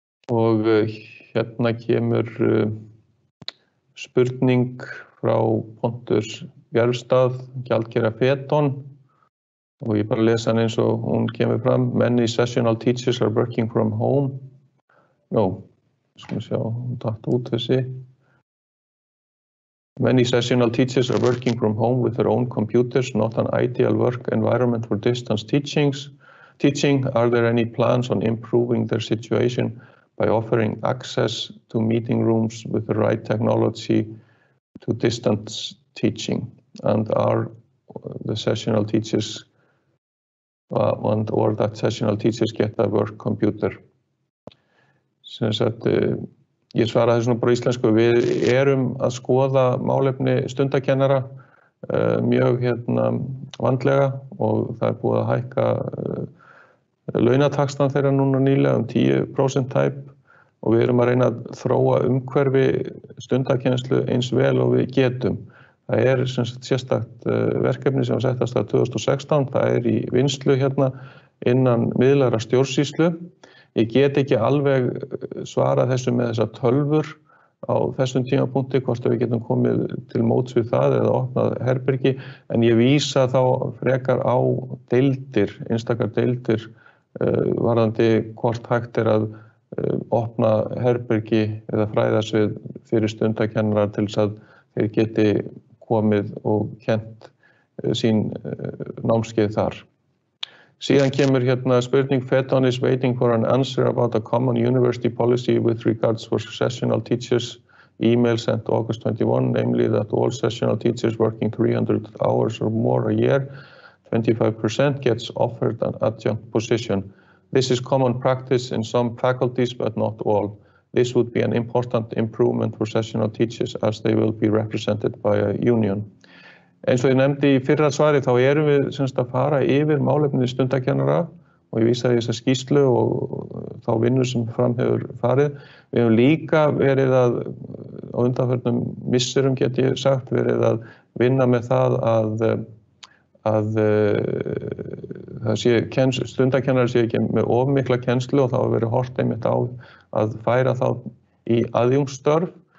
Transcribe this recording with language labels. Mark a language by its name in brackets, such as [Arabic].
[Icelandic] Og hérna kemur spurning frá Pontus Bjarfstað, gjaldkera Feton. Og ég bara lesa hann eins og hún kemur fram. [English] Many sessional teachers are working from home. [Icelandic] No, skoðum við sjá, hún tætt út þessi. [English] Many sessional teachers are working from home with their own computers, not an ideal work environment for distance teaching. Are there any plans on improving their situation by offering access to meeting rooms with the right technology to distance teaching? And are the sessional teachers or that sessional teachers get a work computer? [Icelandic] Sem sagt, ég svara þessu nú bara íslensku. Við erum að skoða málefni stundakennara mjög hérna vandlega og það er búið að hækka launataxtan þeirra núna nýlega 10% tæp og við erum að reyna að þróa umhverfi stundakennslu eins vel og við getum. Það er sem sagt sérstakt verkefni sem var sett af stað 2016, það er í vinnslu hérna innan miðlægra stjórnsýslu. Ég get ekki alveg svarað þessu með þessar tölvur á þessum tímapunkti, hvort við getum komið til móts við það eða opnað herbergi, en ég vísa þá frekar á deildir, einstakar deildir, varðandi hvort hægt er að opna herbergi eða fræðasvið fyrir stundakennara til þess að þeir geti komið og kennt sín námskeið þar. Síðan kemur hérna spurning, [English] Feton is waiting for an answer about a common university policy with regards for sessional teachers email sent August 21, namely that all sessional teachers working 300 hours or more a year, 25% gets offered an adjunct position. This is common practice in some faculties, but not all. This would be an important improvement for sessional teachers as they will be represented by a union. [Icelandic] Eins og ég nefndi í fyrra svari þá erum við semst að fara yfir málefni stundakennara og ég vísa þess að skýrslu og þá vinnur sem fram hefur farið. Við hefum líka verið að, á undanförnum misserum get ég sagt, verið að vinna með það að það sé stundakennara sé ekki með of mikla kennslu og þá hefur verið horft einmitt á að færa þá í aðjúngstörf.